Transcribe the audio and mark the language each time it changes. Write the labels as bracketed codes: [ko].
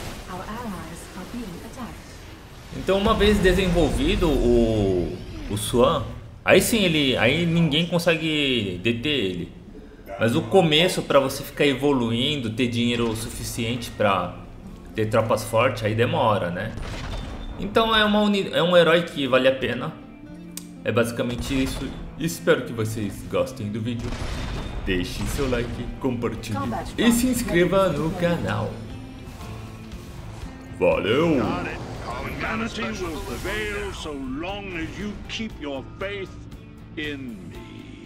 [en] Our allies are being attacked. [pt] Então, uma vez desenvolvido o Swan, aí sim aí ninguém consegue deter ele. Mas o começo, para você ficar evoluindo, ter dinheiro suficiente para ter tropas fortes, aí demora, né? Então é um herói que vale a pena. É basicamente isso. Espero que vocês gostem do vídeo. Deixe seu like, compartilhe e se inscreva no canal. Valeu! [en] Vanity will prevail so long as you keep your faith in me.